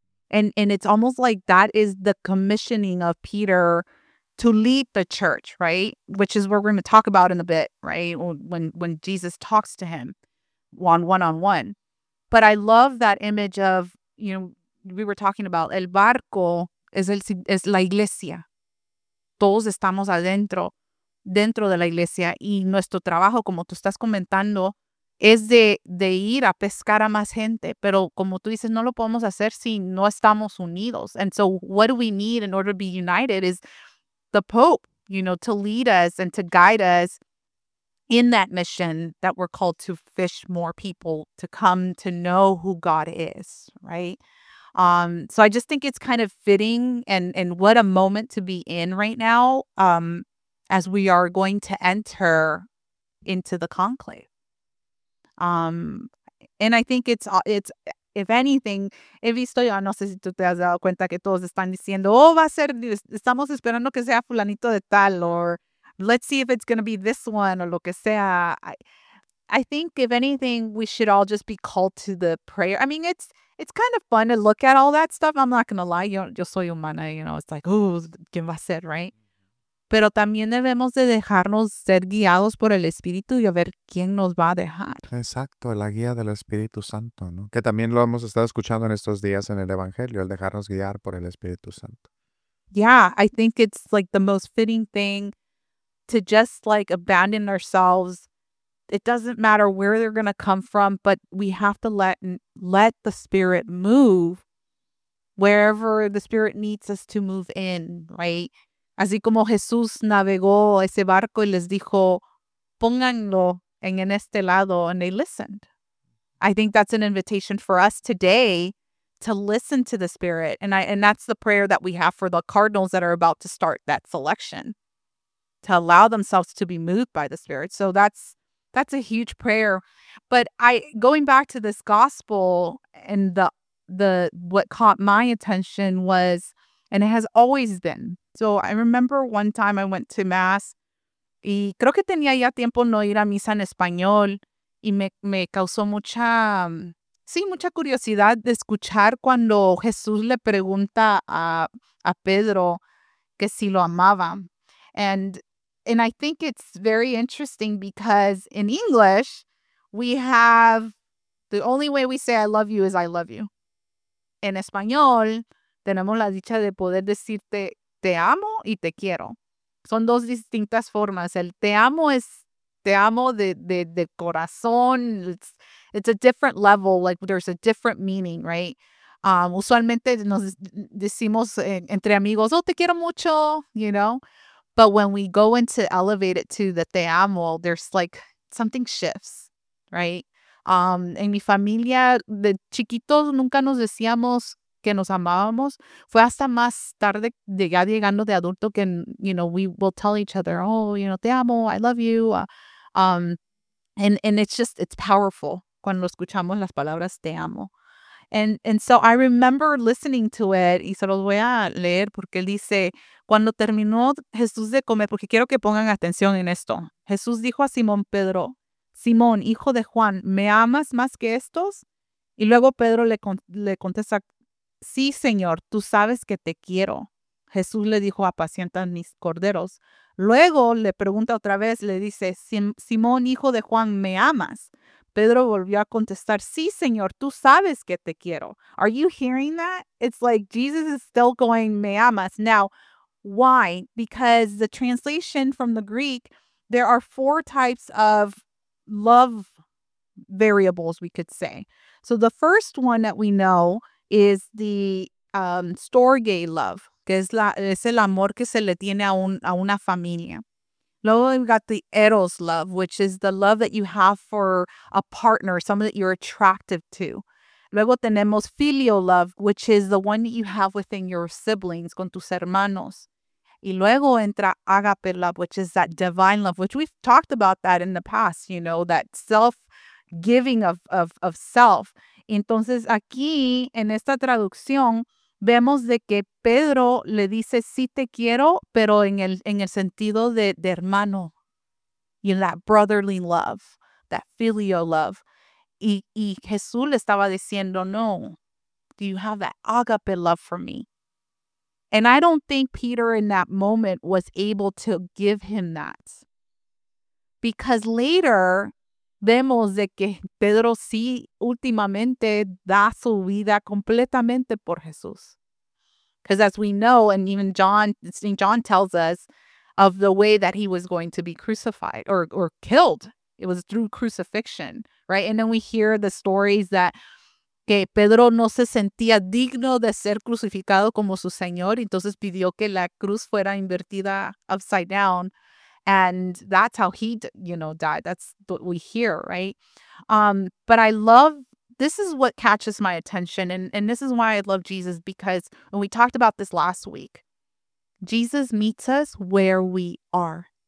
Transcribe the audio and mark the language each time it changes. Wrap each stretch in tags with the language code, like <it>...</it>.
<en>And it's almost like that is the commissioning of Peter to lead the church, right? Which is what we're going to talk about in a bit, right? When Jesus talks to him one-on-one. But I love that image of, you know, we were talking about</en> <es>el barco es la iglesia. Todos estamos dentro de la iglesia. Y nuestro trabajo, como tú estás comentando, es de ir a pescar a más gente. Pero como tú dices, no lo podemos hacer si no estamos unidos.</es> <en>And so what do we need in order to be united is the Pope, you know, to lead us and to guide us in that mission that we're called to fish more people, to come to know who God is, right? So I just think it's kind of fitting, and what a moment to be in right now, as we are going to enter into the conclave. And I think it's if anything,</en> <es>he visto, yo no sé si tú te has dado cuenta que todos están diciendo, oh, va a ser, estamos esperando que sea fulanito de tal,</es> <en>or let's see if it's going to be this one,</en> <es>or lo que sea.</es> <en>I think if anything, we should all just be called to the prayer. I mean, it's kind of fun to look at all that stuff. I'm not going to lie.</en> <es>Yo soy humana,</es> <en>you know, it's like, oh,</en> <es>¿quién va a ser,</es> <en>right?</en> <es>Pero también debemos de dejarnos ser guiados por el Espíritu y a ver quién nos va a dejar. Exacto, la guía del Espíritu Santo, ¿no? Que también lo hemos estado escuchando en estos días en el Evangelio, el dejarnos guiar por el Espíritu Santo.</es> <en>Yeah, I think it's like the most fitting thing to just like abandon ourselves. It doesn't matter where they're going to come from, but we have to let the Spirit move wherever the Spirit needs us to move in, right?</en> <es>Así como Jesús navegó ese barco y les dijo, pónganlo en este lado,</es> <en>and they listened. I think that's an invitation for us today to listen to the Spirit. And that's the prayer that we have for the cardinals that are about to start that selection, to allow themselves to be moved by the Spirit. So that's a huge prayer. But I going back to this gospel, and the what caught my attention was, and it has always been. So I remember one time I went to Mass,</en> <es>y creo que tenía ya tiempo no ir a misa en español, y me causó mucha curiosidad de escuchar cuando Jesús le pregunta a Pedro que si lo amaba.</es> <en>And I think it's very interesting because in English, we have the only way we say I love you is I love you.</en> <es>En español, tenemos la dicha de poder decirte te amo y te quiero. Son dos distintas formas. El te amo es te amo de corazón.</es> <en>It's a different level. Like there's a different meaning, right?</en> <es>Usualmente nos decimos entre amigos, oh, te quiero mucho,</es> <en>you know? But when we go into elevate it to the</en> <es>te amo,</es> <en>there's like something shifts, right?</en> <es>En mi familia, de chiquitos nunca nos decíamos que nos amábamos. Fue hasta más tarde, de ya llegando de adulto, que,</es> <en>you know, we will tell each other, oh, you know,</en> <es>te amo,</es> <en>I love you. And it's just, it's powerful</en> <es>cuando escuchamos las palabras te amo.</es> <en>And so I remember listening to it,</en> <es>y se los voy a leer porque él dice, cuando terminó Jesús de comer, porque quiero que pongan atención en esto. Jesús dijo a Simón Pedro, Simón, hijo de Juan, ¿me amas más que estos? Y luego Pedro le contesta, sí, Señor, tú sabes que te quiero. Jesús le dijo, apacienta mis corderos. Luego le pregunta otra vez, le dice, Simón, hijo de Juan, ¿me amas? Pedro volvió a contestar, sí, Señor, tú sabes que te quiero.</es> <en>Are you hearing that? It's like Jesus is still going,</en> <es>me amas.</es> <en>Now, why? Because the translation from the Greek, there are four types of love variables, we could say. So the first one that we know is the storge love,</en> <es>que es el amor que se le tiene a una familia.</es> <en>Luego we've got the eros love, which is the love that you have for a partner, someone that you're attractive to.</en> <es>Luego tenemos</es> <en>filial love, which is the one that you have within your siblings,</en> <es>con tus hermanos. Y luego entra</es> <en>agape love, which is that divine love, which we've talked about that in the past, you know, that self-giving of self.</en> <es>Entonces aquí, en esta traducción, vemos de que Pedro le dice, sí te quiero, pero en el sentido de hermano.</es> <en>You know, that brotherly love, that filial love.</en> <es>Y Jesús le estaba diciendo, no,</es> <en>do you have that agape love for me? And I don't think Peter in that moment was able to give him that. Because later,</en> <es>vemos de que Pedro sí últimamente da su vida completamente por Jesús.</es> <en>Because as we know, and even John, St. John tells us of the way that he was going to be crucified or killed. It was through crucifixion, right? And then we hear the stories that</en> <es>que Pedro no se sentía digno de ser crucificado como su Señor. Entonces pidió que la cruz fuera invertida</es> <en>upside down. And that's how he, you know, died. That's what we hear, right? But I love this is what catches my attention. And this is why I love Jesus, because when we talked about this last week, Jesus meets us where we are.</en>